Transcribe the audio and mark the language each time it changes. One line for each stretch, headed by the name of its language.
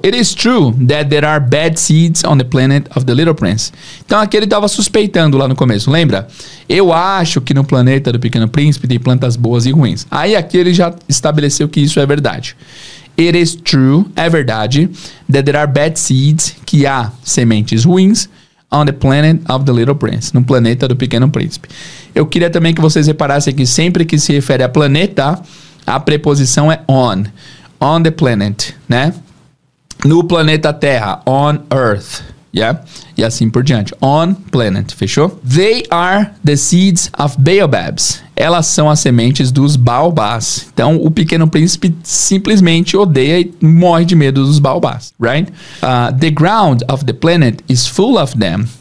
English: It is true that there are bad seeds on the planet of the Little Prince.
Portuguese: Então aqui ele estava suspeitando lá no começo, lembra? Eu acho que no planeta do Pequeno Príncipe tem plantas boas e ruins. Aí aqui ele já estabeleceu que isso é verdade.
English: It is true,
Portuguese: é verdade,
English: that there are bad seeds,
Portuguese: que há sementes ruins,
English: on the planet of the Little Prince,
Portuguese: no planeta do Pequeno Príncipe. Eu queria também que vocês reparassem que sempre que se refere a planeta, a preposição é
English: on the planet,
Portuguese: né? No planeta Terra,
English: on Earth,
Portuguese: yeah? E assim por diante, on planet, fechou?
English: They are the seeds of baobabs.
Portuguese: Elas são as sementes dos baobás. Então, o Pequeno Príncipe simplesmente odeia e morre de medo dos baobás, right?
English: The ground of the planet is full of them.